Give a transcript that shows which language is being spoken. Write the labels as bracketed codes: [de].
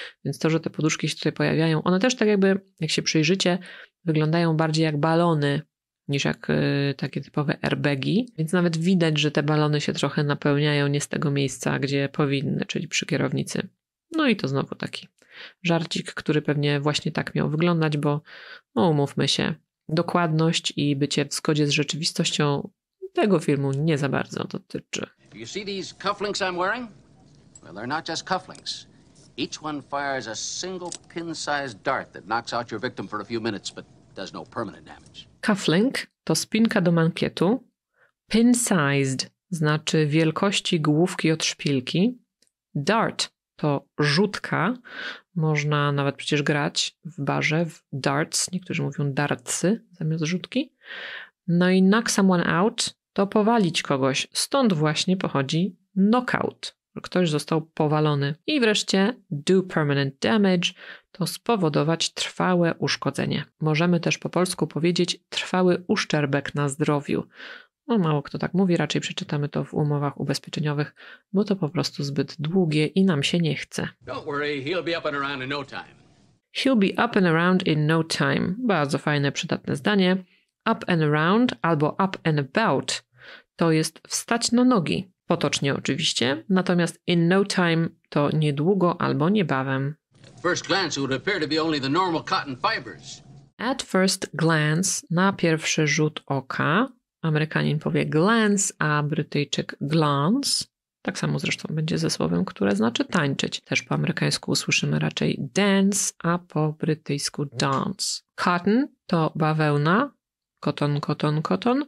[pl] Więc to, że te poduszki się tutaj pojawiają, one też tak jakby, jak się przyjrzycie, wyglądają bardziej jak balony niż jak takie typowe airbagi, więc nawet widać, że te balony się trochę napełniają nie z tego miejsca, gdzie powinny, czyli przy kierownicy. No i to znowu taki żarcik, który pewnie właśnie tak miał wyglądać, bo no umówmy się, dokładność i bycie w zgodzie z rzeczywistością tego filmu nie za bardzo dotyczy. [en] You see these cufflinks I'm wearing? Well, they're not just cufflinks. Each one fires a single pin-sized dart that knocks out your victim for a few minutes, but does no permanent damage. [pl] Cufflink to spinka do mankietu. Pin-sized znaczy wielkości główki od szpilki. Dart to rzutka, można nawet przecież grać w barze w darts, niektórzy mówią darcy zamiast rzutki. No i [en] knock someone out [pl] to powalić kogoś, stąd właśnie pochodzi knockout, ktoś został powalony. I wreszcie do [en] permanent damage [pl] to spowodować trwałe uszkodzenie. Możemy też po polsku powiedzieć trwały uszczerbek na zdrowiu. No mało kto tak mówi, raczej przeczytamy to w umowach ubezpieczeniowych, bo to po prostu zbyt długie i nam się nie chce. [en] Don't worry, he'll be up and around in no time. He'll be up and around in no time. [pl] Bardzo fajne, przydatne zdanie. [en] Up and around [pl] albo [en] up and about [pl] to jest wstać na nogi. Potocznie oczywiście, natomiast [en] in no time [pl] to niedługo albo niebawem. [en] First glance, it would appear to be only the normal cotton fibers. At first glance, [pl] na pierwszy rzut oka, Amerykanin powie glance, a Brytyjczyk glance. Tak samo zresztą będzie ze słowem, które znaczy tańczyć. Też po amerykańsku usłyszymy raczej dance, a po brytyjsku dance. Cotton to bawełna. Koton, koton, koton.